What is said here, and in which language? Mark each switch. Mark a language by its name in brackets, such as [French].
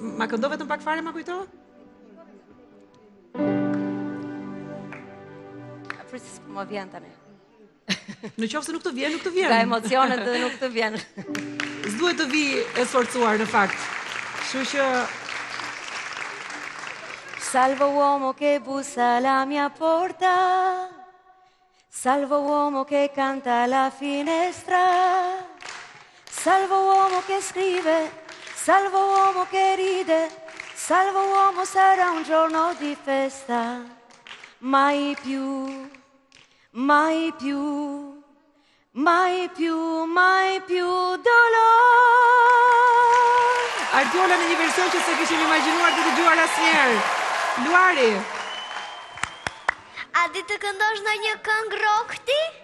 [Albanian] Ma këndo vetëm pak fare, ma kujto? Prisës, më vjenë tani. Në qofë se nuk të vjenë. Ka emocionet dhe nuk të vjenë. S'duhet të vi e sforcuar, në fakt. Shushë... [Italian] Salvo uomo che bussa la mia porta, salvo uomo che canta alla finestra, salvo uomo che scrive, salvo uomo che ride, salvo uomo sarà un giorno di festa. Mai più, mai più, mai più, mai più dolore. [Albanian] Artiola në një version që se kishim imaginuar të dëgjuar asnjëherë. Luari. A di të këndosh në një këngë rock ti?